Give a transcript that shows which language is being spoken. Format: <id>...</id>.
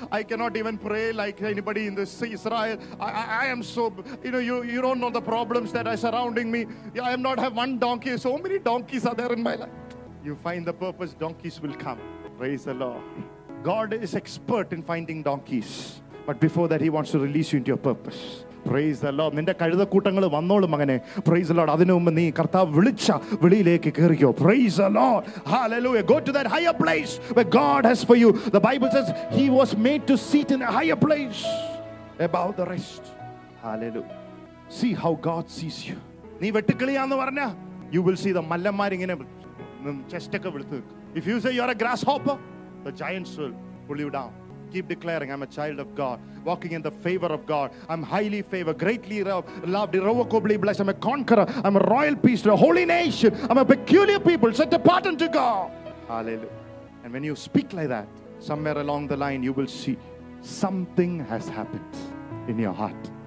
<en>I cannot even pray like anybody in this Israel. I am so, you know, you don't know the problems that are surrounding me. I am not have one donkey. So many donkeys are there in my life. You find the purpose, donkeys will come. Praise the Lord. God is expert in finding donkeys. But before that, he wants to release you into your purpose. Praise the Lord.</en> <ml>നിന്റെ കഴുത കൂട്ടങ്ങൾ വന്നോളും മകനെ.</ml> <en>Praise the lord.</en> <ml>അതിനു മുമ്പ് നീ കർത്താവ് വിളിച്ച വിളിയിലേക്ക് കയറിക്കോ.</ml> <en>Praise the lord.</en> <ml>Hallelujah.</ml> <en>Go to that higher place where God has for you. The Bible says he was made to seat in a higher place above the rest. Hallelujah. See how God sees you.</en> <ml>നീ വെട്ടുക്കിളിയാന്ന് പറഞ്ഞാ</ml> <en>you will see the</en> <ml>മല്ലന്മാർ ഇങ്ങനെ chest ഒക്കെ വിളുത്ത് നിൽക്കും.</ml> <en>If you say you are a grasshopper, the giants will pull you down. Keep declaring, I'm a child of God, walking in the favor of God. I'm highly favored, greatly loved, irrevocably blessed. I'm a conqueror. I'm a royal priest, a holy nation. I'm a peculiar people, set apart unto God. Hallelujah. And when you speak like that, somewhere along the line, you will see something has happened in your heart.</en>